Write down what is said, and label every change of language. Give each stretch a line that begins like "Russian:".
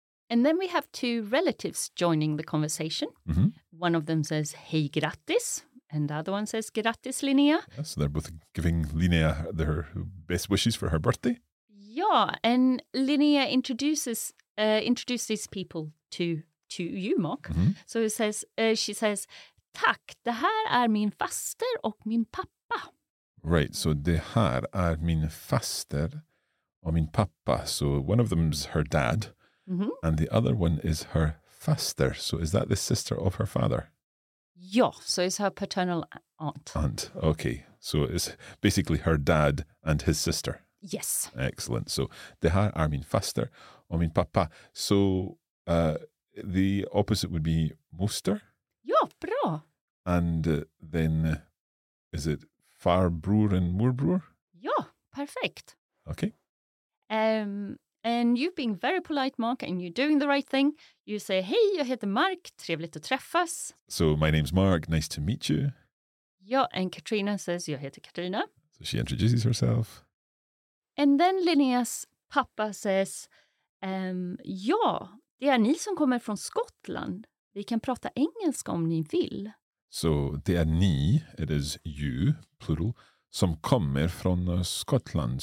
English: And then we have two relatives joining the conversation. Mm-hmm. One of them says,
Swedish: hej, grattis.
English: And the other one says,
Swedish: grattis, Linnea.
English: Yeah, so they're both giving Linnea their best wishes for her birthday. Yeah, and Linnea introduces people to you, Mark. Mm-hmm. So it says she says,
Swedish: tack, det här är min faster och min pappa.
English: Right, so
Swedish: det här är min faster och min pappa.
English: So one of them is her dad, mm-hmm. and the other one is her faster. So is that the sister of her father? Ja, so it's her paternal aunt. Aunt, okay. So it's basically her dad and his sister. Yes. Excellent. So,
Swedish: det här är min faster och min pappa.
English: So, the opposite would be moster.
Swedish: Ja, bra.
English: And then, is it farbror and morbror? Ja, perfect. Okay. And you've been very polite, Mark, and you're doing the right thing. You say,
Swedish: hej, jag heter Mark, trevligt att träffas.
English: So, my name's Mark, nice to meet you. Ja, and Katrina says,
Swedish: jag heter Katrina.
English: So, she introduces herself. And then Linneas pappa says,
Swedish: ja, det är ni som kommer från Skottland. Vi kan prata engelska om ni vill. So, det är ni,
English: it is you, plural,
Swedish: som kommer från Skottland.